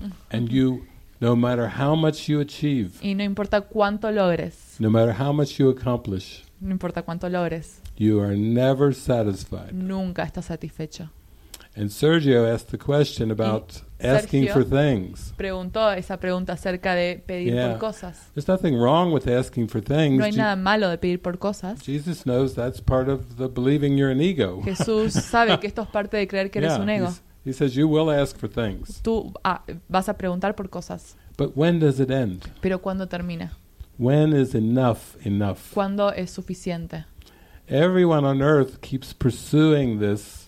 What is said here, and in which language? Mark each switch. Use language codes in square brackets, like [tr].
[en] And you, no matter how much you achieve. [es] Y no importa cuánto logres. [en] No matter how much you accomplish. [es] No importa cuánto logres. [en] You are never satisfied. [es] Nunca estás satisfecho. [en] And Sergio asked the question about asking for things. [es] Preguntó esa pregunta acerca de pedir por cosas. [en] There's nothing wrong with asking for things. [es] No hay nada malo de pedir por cosas. [en] Jesus knows that's part of the believing you're an ego. [es] Jesús sabe que esto es parte de creer que eres un ego. [en] He says you will ask for things. [es] Tú vas a preguntar por cosas. [en] But when does it end? [es] Pero ¿cuándo termina? [en] When is enough? [es] ¿Cuándo es suficiente? [en] Everyone on earth keeps pursuing this